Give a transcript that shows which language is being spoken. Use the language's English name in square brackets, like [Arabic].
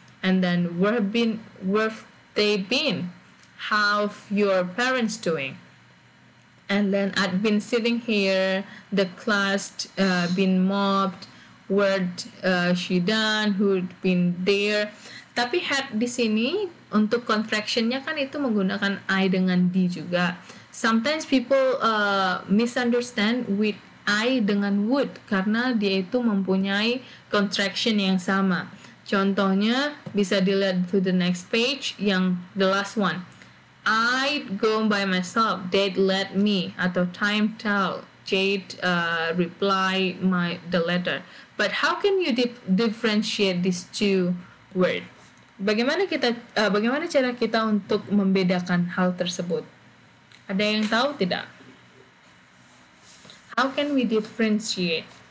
[English] And then where've they been? How've your parents doing? And then I'd been sitting here, the class been mobbed, what she done, who'd been there. [Indonesian] Tapi had di sini, untuk contractionnya kan itu menggunakan I dengan D juga. [English] Sometimes people misunderstand with I [Indonesian] dengan would, karena dia itu mempunyai contraction yang sama. Contohnya, bisa dilihat [English] to the next page, [Indonesian] yang [English] the last one. I'd go by myself, they'd let me, [Indonesian] atau [English] time tell, Jade reply my the letter. But how can you differentiate these two words? [Indonesian] Bagaimana kita, bagaimana cara kita untuk membedakan hal tersebut? Ada yang tahu tidak? [English] How can we differentiate?